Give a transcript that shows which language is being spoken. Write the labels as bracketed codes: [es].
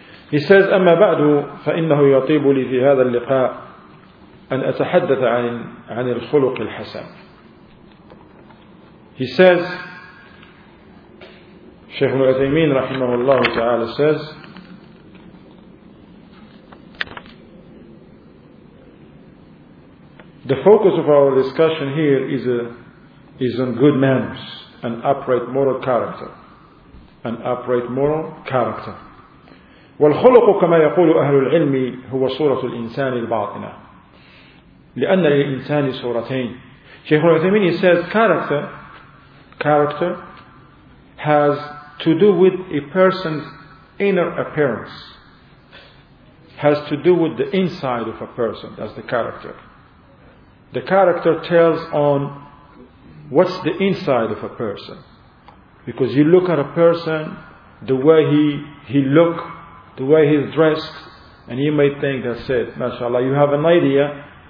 [en] He says, [ar] أما بعد فإنه يطيب لي في هذا اللقاء أن أتحدث عن الخلق الحسن. [en] He says, Shaykh Ibn Uthaymeen rahimahullah ta'ala says, the focus of our discussion here is on good manners and upright moral character an upright moral character. [ar] والخلق كما يقول أهل العلم هو صورة الإنسان الباطنة لأن الإنسان صورتين. [en] Sheikh Al-Uthaymeen says character has to do with a person's inner appearance, has to do with the inside of a person. That's the character. The character tells on what's the inside of a person, because you look at a person, the way he look, the way he's dressed, and you may think, that's it, mashallah, you have an idea.